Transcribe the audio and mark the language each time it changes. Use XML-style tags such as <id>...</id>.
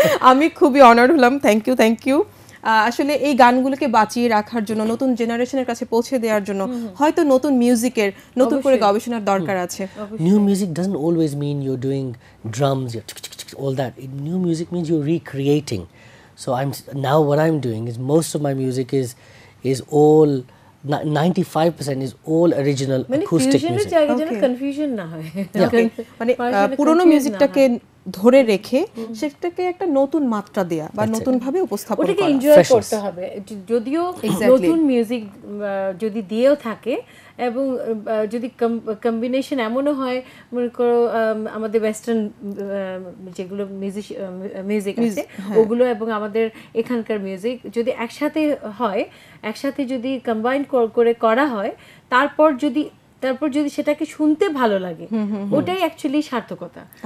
<bn>আমি খুবই অনার্ড হলাম,</bn> <en>Thank you thank you.</en> <bn>আসলে এই গানগুলোকে বাঁচিয়ে রাখার জন্য, নতুন জেনারেশনের কাছে পৌঁছে দেওয়ার জন্য হয়তো নতুন মিউজিকের, নতুন করে গবেষণার দরকার আছে।</bn> <en>New music doesn't always mean you doing drums all that, new music means you recreating. So I'm now what I'm doing is most of my music is all 95% is all original acoustic music.</en> <bn>মানে ফিউশনের জায়গায় যেন confusion না হয়, মানে পুরনো মিউজিকটাকে ধরে রেখে সেটাকে একটা নতুন মাত্রা দেয়া বা নতুন ভাবে উপস্থাপন করা, ওটাকে এনজয় করতে হবে, যদিও নতুন মিউজিক যদি দিয়েও থাকে এবং যদি কম্বিনেশন এমনও হয়, মনে করো আমাদের ওয়েস্টার্ন যেগুলো মিউজিক আছে ওগুলো এবং আমাদের এখানকার মিউজিক যদি একসাথে হয়, একসাথে যদি কম্বাইন করে করা হয়, তারপর যদি সেটাকে শুনতে ভালো লাগে, ওটাই অ্যাকচুয়ালি সার্থকতা।</bn>